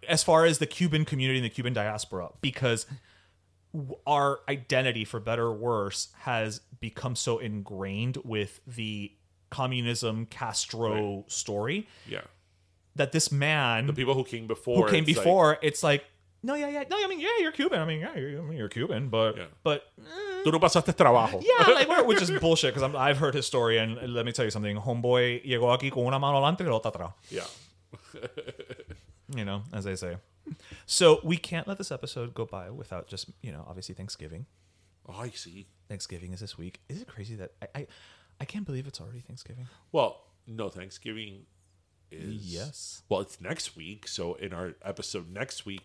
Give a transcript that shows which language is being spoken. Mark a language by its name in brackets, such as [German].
[English] as far as the Cuban community and the Cuban diaspora, because our identity, for better or worse, has become so ingrained with the communism Castro story, yeah, that this man, the people who came before, it's like, you're Cuban. I mean, you're Cuban, but. [Spanish] Tú no pasaste trabajo. [English] Yeah, like, which is bullshit, because I've heard his story, and let me tell you something. [Spanish] Homeboy llegó aquí con una mano adelante y la otra atrás. [English] Yeah. You know, as they say. So we can't let this episode go by without just, you know, obviously Thanksgiving. Oh, I see. Thanksgiving is this week. Is it crazy that I can't believe it's already Thanksgiving? Well, no, Thanksgiving is, yes. Well, it's next week. So in our episode next week.